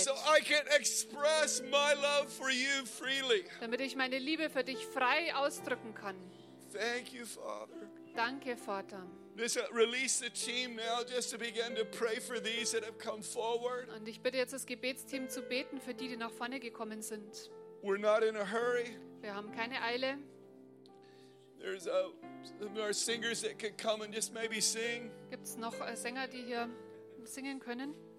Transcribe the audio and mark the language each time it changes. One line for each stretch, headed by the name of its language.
English: So I can express my love for you freely.
German: Damit ich meine Liebe für dich frei ausdrücken kann.
English: Thank you, Father.
German: Danke, Vater.
English: Release the team now, just to begin to pray for these that have come forward.
German: Und ich bitte jetzt das Gebetsteam zu beten für die nach vorne gekommen sind.
English: We're not in a hurry.
German: Wir haben keine Eile.
English: There's some more singers that could come and just maybe sing.
German: Gibt's noch Sänger, die hier singen können?